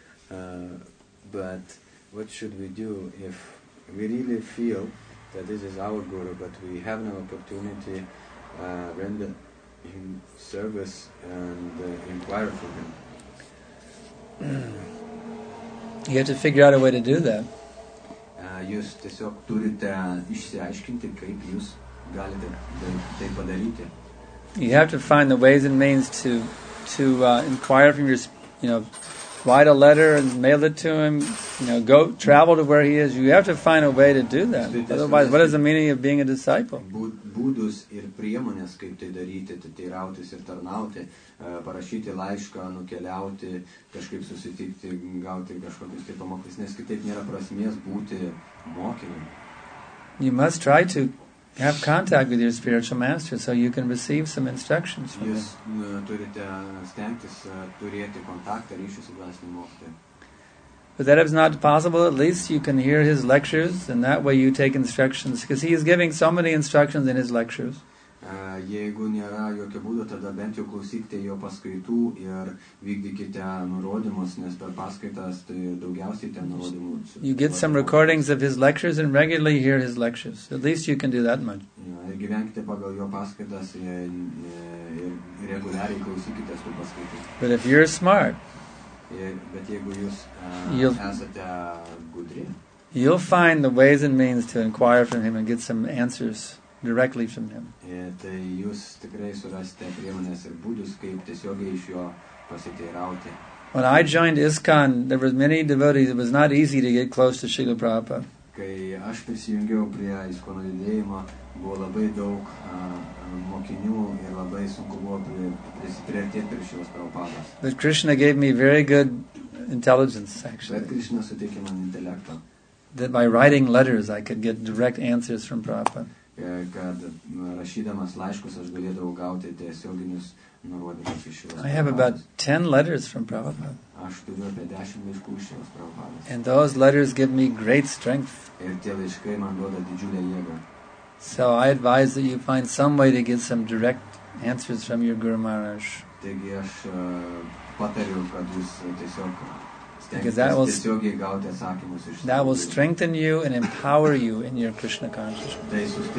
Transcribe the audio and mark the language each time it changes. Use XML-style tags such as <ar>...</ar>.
<en>But what should we do if we really feel that this is our guru, but we have no opportunity to render him service and inquire for him? You have to figure out a way to do that.</en> <lt>Jūs tiesiog turite išsiaiškinti, kaip jūs galite tai padaryti.</lt> <en>You have to find the ways and means to inquire from your, you know, write a letter and mail it to him, you know, go travel to where he is. You have to find a way to do that. Otherwise, what is the meaning of being a disciple?</en> <lt>Būdus ir priemonės, kaip tai daryti, teirautis ir tarnauti, parašyti laišką, nukeliauti, kažkaip susitikti, gauti kažkokius tai pamokas, nes kitaip nėra prasmės būti mokiniu.</lt> <en>You must try to have contact with your spiritual master so you can receive some instructions from</en> <lt>jūs,</lt> <en>him.</en> <lt>Turite stengtis turėti kontaktą ryšį su dvasiniu mokytoju.</lt> <en>But that is not possible, at least you can hear his lectures, and that way you take instructions, because he is giving so many instructions in his lectures.</en> <lt>Jeigu nėra jokio būdo, tada bent jau klausykite jo paskaitų ir vykdykite nurodymus, nes per paskaitas tai daugiausiai ten nurodymų.</lt> <en>You get some recordings of his lectures and regularly hear his lectures. At least you can do that much.</en> <lt>Ir gyvenkite pagal jo paskaitas ir reguliariai klausykite tų paskaitų.</lt> <en>But if you're smart,</en> <lt>bet jeigu jūs esate gudri,</lt> <en>you'll find the ways and means to inquire from him and get some answers directly from him.</en> <lt>Tai jūs tikrai surasite priemonės ir būdus, kaip tiesiogiai iš jo pasiteirauti.</lt> <en>When I joined ISKCON, there were many devotees. It was not easy to get close to Srila Prabhupada.</en> <lt>Kai aš prisijungiau prie ISKCON judėjimo, buvo labai daug mokinių ir labai sunku buvo prisipriartėti prie Šrilos Prabhupados.</lt> <en>But Krishna gave me very good intelligence, actually.</en> <lt>Bet Krishna suteikė man intelektą.</lt> <en>That by writing letters I could get direct answers from Prabhupada.</en> <lt>Kad rašydamas laiškus aš galėdavau gauti tiesioginius nurodymus iš</lt> <en>I have about 10 letters from Prabhupada.</en> <lt>Aš turiu apie 10 laiškų iš Šrilos Prabhupados.</lt> <en>And those letters give me great strength.</en> <lt>Ir tie laiškai man duoda didžiulę jėgą.</lt> <en>So I advise that you find some way to get some direct answers from your Guru Maharaj.</en> <lt>Taigi aš patariu, kad jūs tiesiog</lt> <en>Because that will strengthen you and empower you in your Krishna consciousness.</en>